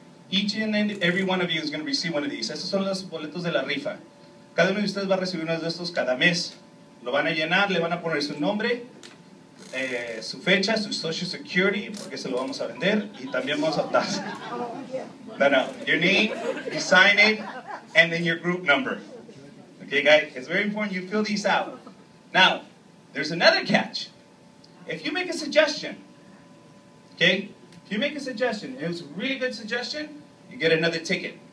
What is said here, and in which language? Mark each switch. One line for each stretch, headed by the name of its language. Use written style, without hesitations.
English: Each and every one of you is going to receive one of these.
Spanish: Estos son los boletos de la rifa. Cada uno de ustedes va a recibir uno de estos cada mes. Lo van a llenar, le van a poner su nombre, su fecha, su
English: social security,
Spanish: porque se lo vamos a vender, y también vamos a tasa. No, no.
English: Your name, you sign it, and then your group number. Okay, guys? It's very important you fill these out. Now, there's another catch. If you make a suggestion, okay? If you make a suggestion, it was a really good suggestion, you get another ticket.